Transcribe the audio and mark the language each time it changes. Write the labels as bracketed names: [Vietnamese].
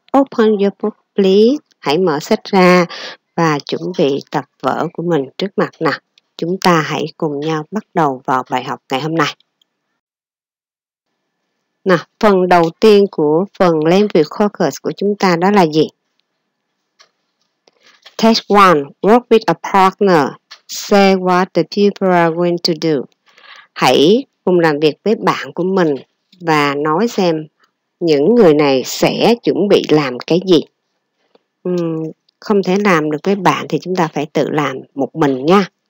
[English] Open your book please. [Vietnamese] Hãy mở sách ra và chuẩn bị tập vở của mình trước mặt nào. Chúng ta hãy cùng nhau bắt đầu vào bài học ngày hôm nay. Nào, phần đầu tiên của phần language focus của chúng ta đó là gì? [English] Test 1. Work with a partner. Say what the people are going to do. [Vietnamese] Hãy cùng làm việc với bạn của mình và nói xem những người này sẽ chuẩn bị làm cái gì. Không thể làm được với bạn thì chúng ta phải tự làm một mình nha.